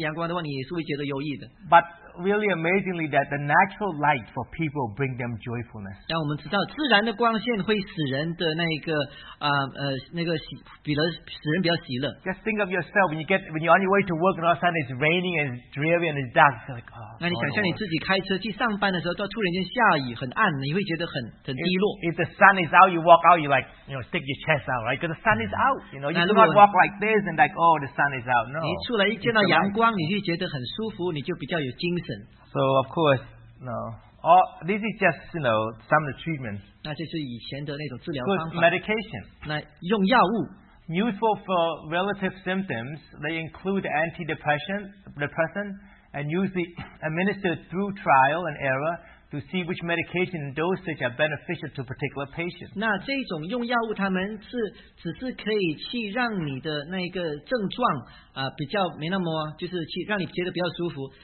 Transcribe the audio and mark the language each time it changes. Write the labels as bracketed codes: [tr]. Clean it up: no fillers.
[zh] 但反过来说，但是如果你得了太多的阳光的话，你太六个月长的阳光的话，你也是会觉得忧郁的。But [en] really amazingly that the natural light for people bring them joyfulness. [zh] 让我们知道自然的光线会使人的那个使人比较喜乐。 [en] Just think of yourself when you're on your way to work and all of a sudden it's raining and it's dreary and it's dark. It's like, oh, [zh] 那你想象你自己开车去上班的时候，到突然间下雨很暗，你会觉得很低落。 [en] If the sun is out, you walk out, you like, you know, stick your chest out, right? Because the sun is out, you know, you cannot walk like this and like, oh, the sun is out. No. [zh] 你出来一见到阳光，你就觉得很舒服，你就比较有精神。 [en] So of course, no. Or this is just, you know, some of the treatments. [zh] 那这是以前的那种治疗方法。 [en] Good medication. [zh] 那用药物。 [en] Useful for relative symptoms, they include antidepressant, and usually administered through trial and error to see which medication dosage are beneficial to particular patients. [zh] 那这种用药物，他们是只是可以去让你的那个症状比较没那么，就是去让你觉得比较舒服。